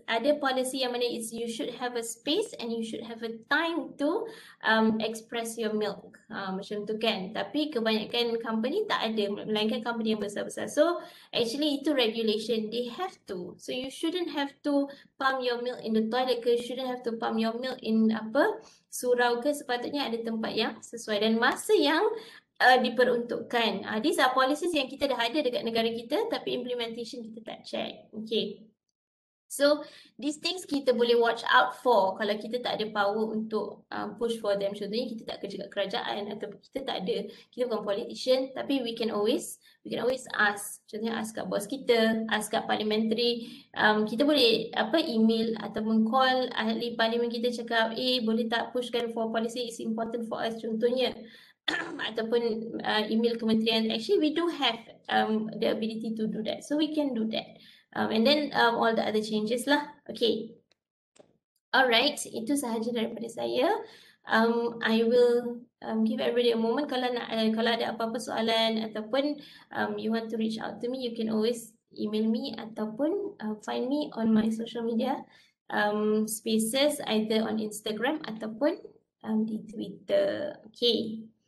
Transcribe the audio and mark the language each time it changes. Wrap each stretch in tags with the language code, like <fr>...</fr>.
<ms>Ada</ms> <en>policy</en> <ms>yang mana</ms> <en>is you should have a space and you should have a time to express your milk.</en> <ms>Macam tu kan. Tapi kebanyakan company tak ada, melainkan company yang besar-besar.</ms> <en>So actually</en> <ms>itu</ms> <en>regulation, they have to. So you shouldn't have to pump your milk in the toilet ke, shouldn't have to pump your milk in</en> <ms>apa, surau ke. Sepatutnya ada tempat yang sesuai dan masa yang diperuntukkan.</ms> <en>These are policies</en> <ms>yang kita dah ada dekat negara kita, tapi implementation kita tak check. Okay.</ms> <en>So these things</en> <ms>kita boleh</ms> <en>watch out for</en> <ms>kalau kita tak ada</ms> <en>power</en> <ms>untuk</ms> <en>push for them.</en> <ms>Contohnya kita tak kerja kat kerajaan ataupun kita tak ada, kita bukan politician, tapi</ms> <en>we can always ask.</en> <ms>Contohnya ask kat boss kita, ask kat parliamentary. Kita boleh apa, email ataupun call ahli parlimen kita, cakap eh boleh tak pushkan for policy,</ms> <en>is important for us</en> <ms>contohnya. Ataupun email kementerian.</ms> <en>Actually we do have the ability to do that. So we can do that. And then all the other changes lah. Okay.</en> <ms>Alright, itu sahaja daripada saya.</ms> <en>I will give everybody a moment.</en> <ms>Kalau nak, kalau ada apa-apa soalan ataupun</ms> <en>you want to reach out to me, you can always email me</en> <ms>ataupun</ms> <en>find me on my social media spaces, either on Instagram</en> <ms>ataupun di</ms> <en>Twitter. Okay.</en>